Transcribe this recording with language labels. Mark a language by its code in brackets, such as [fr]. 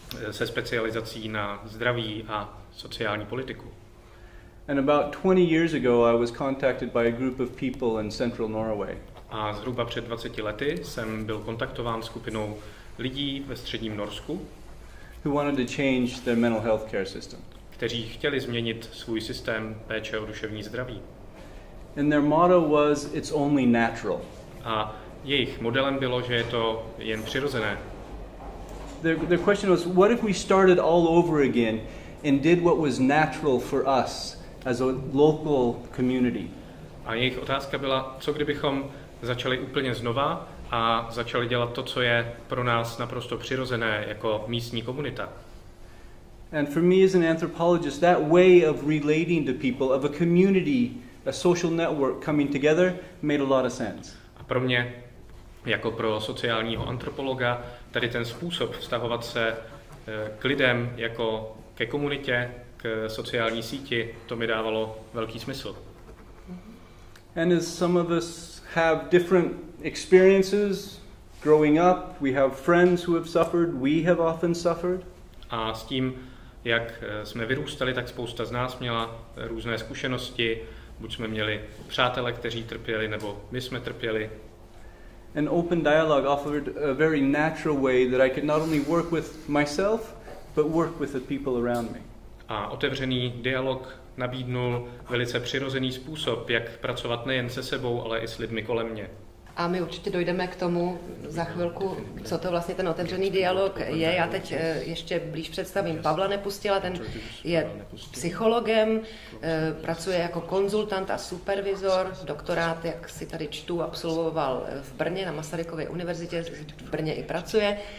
[cs] Se specializací na zdraví a sociální politiku. [en] And about 20 years ago I was contacted by a group of people in central Norway. [cs] A zhruba před 20 lety jsem byl kontaktován skupinou lidí ve středním Norsku. [en] Who wanted to change their mental health care system. [cs] Kteří chtěli změnit svůj systém péče o duševní zdraví. [en] And their motto was it's only natural. [cs] A jejich modelem bylo, že je to jen přirozené. [en] Their question was what if we started all over again and did what was natural for us as a local community. [cs] A jejich otázka byla, co kdybychom začali úplně znova a začali dělat to, co je pro nás naprosto přirozené jako místní komunita. [en] And for me as an anthropologist, that way of relating to people, of a community, a social network coming together made a lot of sense. [cs] A pro mě, jako pro sociálního antropologa, tady ten způsob vztahovat se k lidem jako ke komunitě, k sociální síti, to mi dávalo velký smysl. [en] And as some of us have different experiences growing up, we have friends who have suffered, we have often suffered. [cs] A s tím, jak jsme vyrůstali, tak spousta z nás měla různé zkušenosti, buď jsme měli přátele, kteří trpěli, nebo my jsme trpěli. [en] An open dialogue offered a very natural way that I could not only work with myself, but work with the people around me. [cs] A otevřený dialog nabídnul velice přirozený způsob, jak pracovat nejen se sebou, ale i s lidmi kolem mě. A my určitě dojdeme k tomu za chvilku, co to vlastně ten otevřený dialog je. Já teď ještě blíž představím Pavla Nepustila, ten je psychologem, pracuje jako konzultant a supervizor, doktorát, jak si tady čtu, absolvoval v Brně na Masarykově univerzitě, v Brně i pracuje.